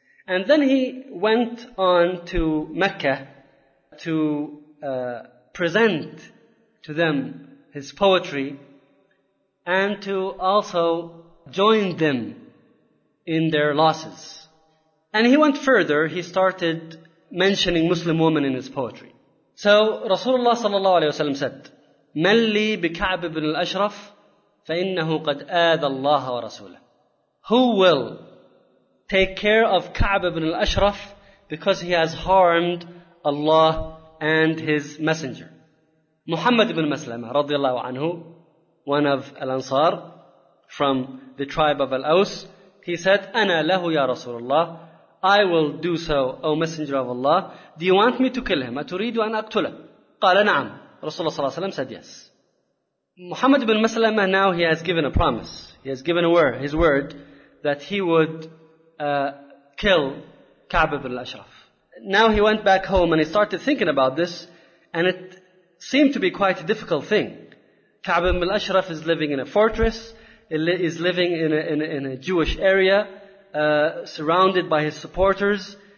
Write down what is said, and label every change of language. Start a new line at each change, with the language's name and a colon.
English: And then he went on to Mecca to present to them his poetry and to also join them in their losses. And he went further, he started mentioning Muslim women in his poetry. So Rasulullah sallallahu alaihi wasallam said,
Arabic: مَنْ لِي بِكَعْبِ بْنِ الْأَشْرَفِ فَإِنَّهُ قَدْ آذَى اللَّهَ وَرَسُولَهُ.
English: Who will take care of Ka'b ibn al-Ashraf because he has harmed Allah and his messenger? Muhammad ibn Maslama radiallahu anhu, one of al-Ansar from the tribe of al-Aus, he said,
Arabic: أَنَا لَهُ يَا رَسُولَ اللَّهِ.
English: I will do so, O Messenger of Allah. Do you want me to kill him?
Arabic: أتريدوا أن أقتله؟ قال نعم.
English: Rasulullah صلى الله عليه وسلم said yes. Muhammad ibn Maslamah, now he has given a promise. He has given a word, his word, that he would kill Ka'b ibn al-Ashraf. Now he went back home and he started thinking about this, and it seemed to be quite a difficult thing. Ka'b ibn al-Ashraf is living in a fortress, is living in a Jewish area, surrounded by his supporters.